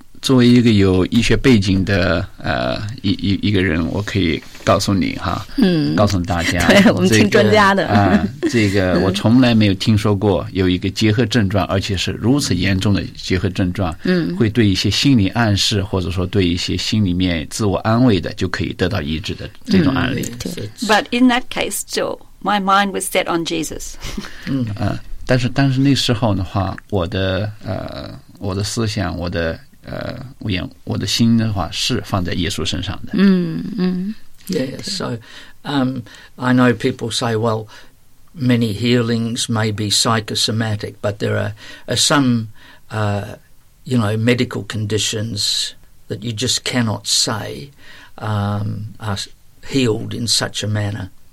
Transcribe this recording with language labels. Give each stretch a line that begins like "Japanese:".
Chinese: 作为一个有医学背景的一个人，我可以告诉你哈，告诉大家，对我们听专家的啊，这个我从来没有听说过有一个结核症状，而且是如此严重的结核症状，会对一些心理暗示或者说对一些心里面自我安慰的就可以得到医治的这种案例。
English: But in that case, still, my mind was set on Jesus.
Chinese: 但是当时那时候的话，我的思想，我的。我的心的话是放在耶稣身上的。
English: Yeah, so I know people say, well, many healings may be psychosomatic, but there are some, you know, medical conditions that you just cannot say are healed in such a manner.